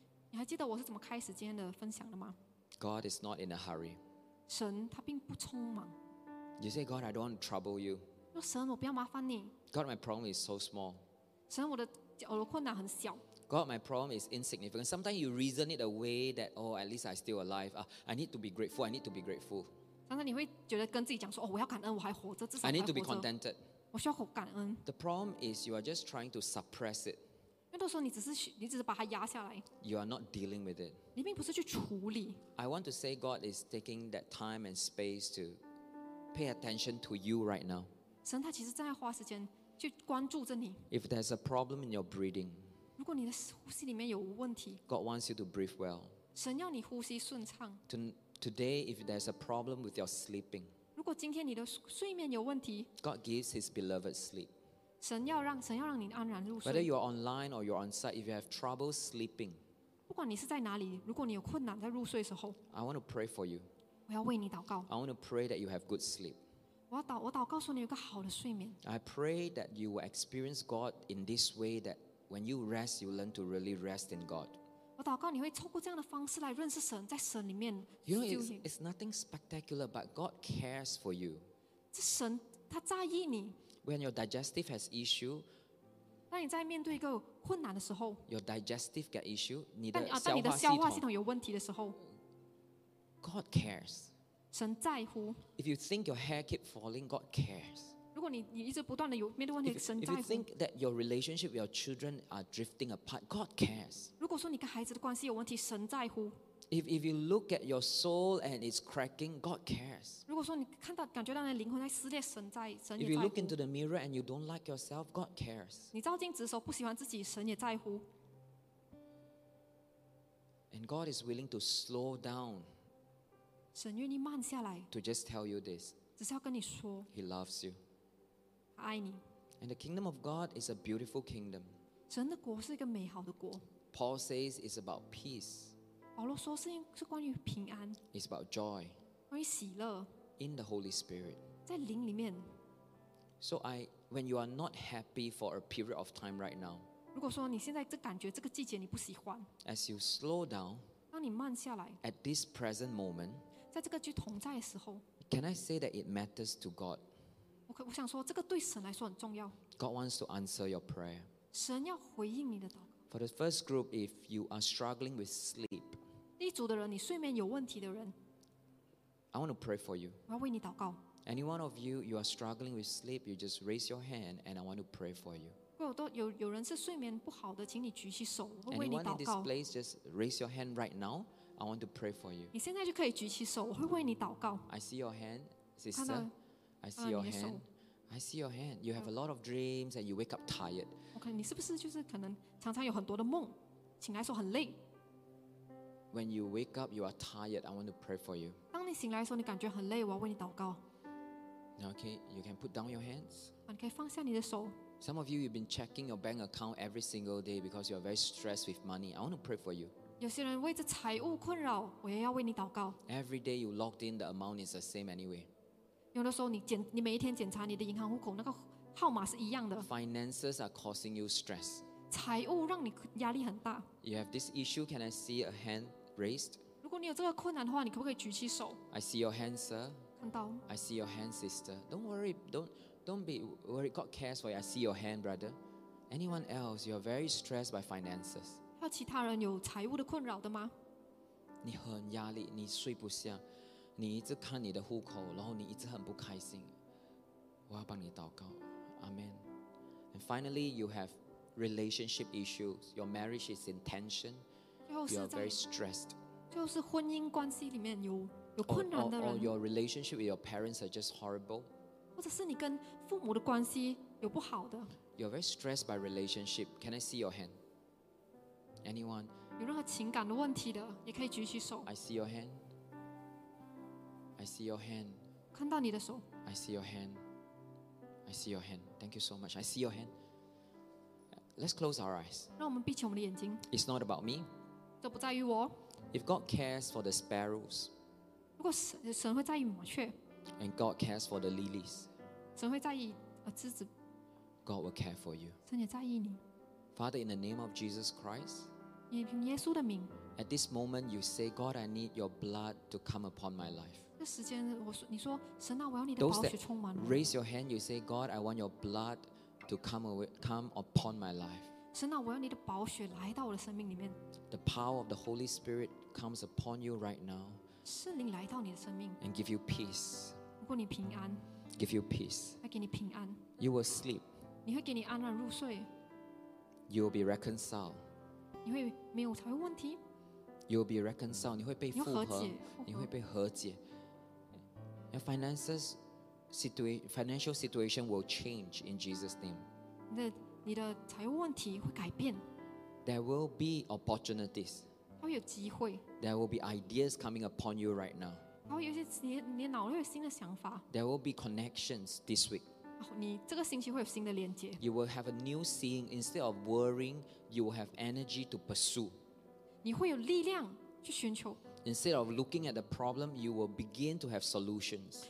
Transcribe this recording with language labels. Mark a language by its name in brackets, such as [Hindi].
[Chinese] 你还记得我是怎么开始今天的分享的吗？ [English] God is not in a hurry. [Chinese] 神他并不匆忙。 [English] You say, God, I don't want to trouble you. [Chinese] 说神我不要麻烦你。 [English] God, my problem is so small. [Chinese] 神我的困难很小。 [English] God, my problem is insignificant. Sometimes you reason it away that, oh, at least I'm still alive. I need to be grateful. [Chinese] 常常你会觉得跟自己讲说，哦，我要感恩，我还活着，至少我还活着。 [English] I need to be contented. [Chinese] 我需要感恩。 [English] The problem is you are just trying to suppress it. [Chinese] 都说你只是把它压下来。 [English] You are not dealing with it. [Chinese] 你并不是去处理。 [English] I want to say God is taking that time and space to pay attention to you right now. [Chinese] 神他其实正在花时间去关注着你。 [English] If there's a problem in your breathing, [Chinese] 如果你的呼吸里面有问题， [English] God wants you to breathe well. [Chinese] 神要你呼吸顺畅。 [English] Today, if there's a problem with your sleeping, [Chinese] 如果今天你的睡眠有问题， [English] God gives His beloved sleep. [Chinese] 神要让你安然入睡。 [English] Whether you're online or you're on site, if you have trouble sleeping, [Chinese] 不管你是在哪里，如果你有困难在入睡的时候， [English] I want to pray for you. [Chinese] 我要为你祷告。 [English] I want to pray that you have good sleep. [Chinese] 我祷告说你有个好的睡眠。 [English] I pray that you will experience God in this way that when you rest, you learn to really rest in God. [Chinese] 我祷告你会透过这样的方式来认识神，在神里面。 [English] You know, it's nothing spectacular, but God cares for you. [Chinese] 这神他在意你。 [English] When your digestive has issue, [Chinese] 当你在面对一个困难的时候， [English] your digestive got issue, [Chinese] 当你的消化系统有问题的时候， [English] God cares. [Chinese] 神在乎。 [English] If you think your hair keep falling, God cares. [Chinese] 如果 你一直不断的有面对问题， 神在乎。 [English] If you think that your relationship with your children are drifting apart, God cares. [Chinese] 如果说你跟孩子的关系有问题，神在乎。 [English] If you look at your soul and it's cracking, God cares. [Chinese] 如果说你看到感觉到你的灵魂在撕裂，神在神也在乎。 [English] If you look into the mirror and you don't like yourself, God cares. [Chinese] 你照镜子的时候不喜欢自己，神也在乎。 [English] And God is willing to slow down. [Chinese] 神愿意慢下来。 [English] To just tell you this. [Chinese] 只是要跟你说, [English] He loves you. [Chinese] 爱你. [English] And the kingdom of God is a beautiful kingdom. [Chinese] 神的国是一个美好的国. [English] Paul says it's about peace. [Chinese] 保罗说是关于平安. [English] It's about joy. [Chinese] 关于喜乐. [English] In the Holy Spirit. [Chinese] 在灵里面. [English] So when you are not happy for a period of time right now, [Chinese] 如果说你现在这感觉这个季节你不喜欢, [English] as you slow down, [Chinese] 当你慢下来, [English] at this present moment, [Chinese] 在这个具同在的时候, [English] can I say that it matters to God? [Chinese] 我想说这个对神来说很重要. [English] God wants to answer your prayer. [Chinese] 神要回应你的祷告. [English] For the first group, if you are struggling with sleep, [Chinese] 第一组的人, 你睡眠有问题的人, [English] I want to pray for you. [Chinese] 我要为你祷告. [English] Any one of you, you are struggling with sleep, you just raise your hand and I want to pray for you. [Chinese] 有人是睡眠不好的, 请你举起手, 我会为你祷告. [English] Anyone in this place, just raise your hand right now. I want to pray for you. [Chinese] 你现在就可以举起手, 我会为你祷告. [English] I see your hand, sister. [Chinese] 看到, [English] I see your hand. I see your hand. You have a lot of dreams and you wake up tired. [Chinese] Okay, 你是不是就是可能常常有很多的梦, 醒来说很累? [English] When you wake up, you are tired. I want to pray for you. [Chinese] 当你醒来说, 你感觉很累, 我要为你祷告. [English] Okay, you can put down your hands. [Chinese] 你可以放下你的手. [English] Some of you, you've been checking your bank account every single day because you're very stressed with money. I want to pray for you. [Chinese] 有些人为着财务困扰, 我也要为你祷告. [English] Every day you logged in, the amount is the same anyway. [Chinese] 有的时候你检, 你每一天检查你的银行户口, 那个号码是一样的. [English] Finances are causing you stress. [Chinese] 财务让你压力很大. [English] You have this issue, can I see a hand raised? [Chinese] 如果你有这个困难的话, 你可不可以举起手? [English] I see your hand, sir. [Chinese] 看到? [English] I see your hand, sister. Don't worry, don't be worried. God cares for you. I see your hand, brother. Anyone else, you are very stressed by finances. [Chinese] 还有其他人有财务的困扰的吗? 你很压力, 你睡不下, 你一直看你的户口, 然后你一直很不开心, 我要帮你祷告, Amen. [English] And finally, you have relationship issues. Your marriage is in tension. You are very stressed. [Chinese] 就是婚姻关系里面有困难的人, [English] or your relationship with your parents are just horrible. [Chinese] 或者是你跟父母的关系有不好的, [English] you're very stressed by relationship. Can I see your hand? Anyone? [Chinese] 有任何情感的问题的, 也可以举起手. [English] I see your hand. I see your hand. [Chinese] 看到你的手. [English] I see your hand. I see your hand. Thank you so much. I see your hand. Let's close our eyes. [Chinese] 让我们闭起我们的眼睛. [English] It's not about me. [Chinese] 这不在于我. [English] If God cares for the sparrows, [Chinese] 如果神会在意麻雀, [English] and God cares for the lilies, [Chinese] 神会在意, 枝子, [English] God will care for you. [Chinese] 神也在意你. [English] Father, in the name of Jesus Christ, [Chinese] 也凭耶稣的名, [English] at this moment you say, God, I need your blood to come upon my life. [Chinese] 这时间我说, 神啊, 我要你的宝血充满我. [English] Those that raise your hand, you say, God, I want your blood to come upon my life. [Chinese] 神啊, 我要你的宝血来到我的生命里面. [English] The power of the Holy Spirit comes upon you right now. [Chinese] 圣灵来到你的生命, [English] and give you peace. [Chinese] 如果你平安, [English] give you peace. [Chinese] 来给你平安, [English] you will sleep. [Chinese] 你会给你安然入睡, [English] you will be reconciled. [Chinese] 你会没有财务问题, [English] you will be reconciled. [Chinese] 你会被复合, 你会被和解. [English] Your finances financial situation will change in Jesus' name. [Chinese] 你的财务问题会改变. [English] There will be opportunities. [Chinese] 还有机会. [English] There will be ideas coming upon you right now. [Chinese] 然后有些你的脑会有新的想法. [English] There will be connections this week. [Chinese] 你这个星期会有新的连接. [English] You will have a new seeing. Instead of worrying, you will have energy to pursue. [Chinese] 你会有力量去寻求. [English] Instead of looking at the problem, you will begin to have solutions.